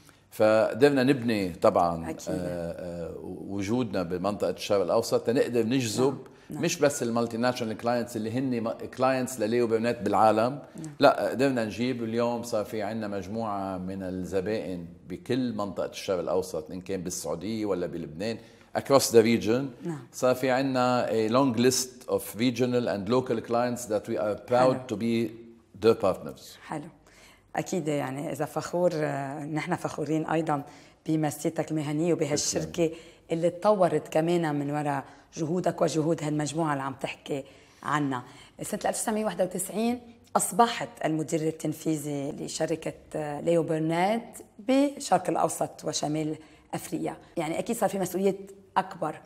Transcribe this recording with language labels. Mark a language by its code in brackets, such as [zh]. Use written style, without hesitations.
[ar] فقدرنا نبني طبعا وجودنا بمنطقه الشرق الاوسط نقدر نجذب مش بس المالتي ناشونال كلاينتس اللي هن كلاينتس لليو بيرنت بالعالم. لا قدرنا نجيب اليوم صار في عندنا مجموعه من الزبائن بكل منطقه الشرق الاوسط ان كان بالسعوديه ولا بلبنان across the region. [en] صار في عندنا a long list of regional and local clients that we are proud to be their partners. [ar] حلو. اكيد يعني اذا فخور نحن فخورين ايضا بمسيرتك المهنيه وبهالشركه اللي تطورت كمان من وراء جهودك وجهود هالمجموعه اللي عم تحكي عنها. سنه 1991 اصبحت المدير التنفيذي لشركه ليو بيرنات بشرق الاوسط وشمال افريقيا، يعني اكيد صار في مسؤوليات اكبر